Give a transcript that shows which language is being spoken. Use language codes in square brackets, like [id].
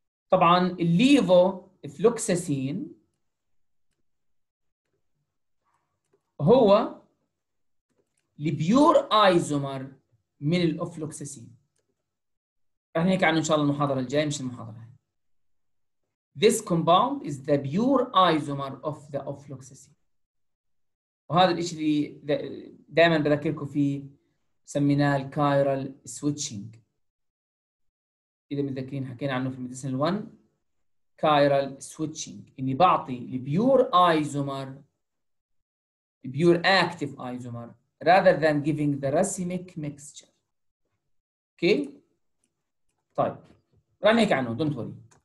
[ar] طبعا الليفو فلوكسسين هو البيور آيزومر من الأوفلوكسسين. رح نحكي عنه إن شاء الله المحاضرة الجاية مش المحاضرة. [en] This compound is the pure isomer of the ofloxacin. [ar] وهذا الإشي اللي دائما بذكركم فيه سميناه chiral switching. إذا متذكرين حكينا عنه في [en] medicinal one, chiral switching. [ar] إني بعطي [en] pure isomer, pure active isomer, rather than giving the racemic mixture. Okay? [ar] طيب. رح نحكي عنه. [en] Don't worry.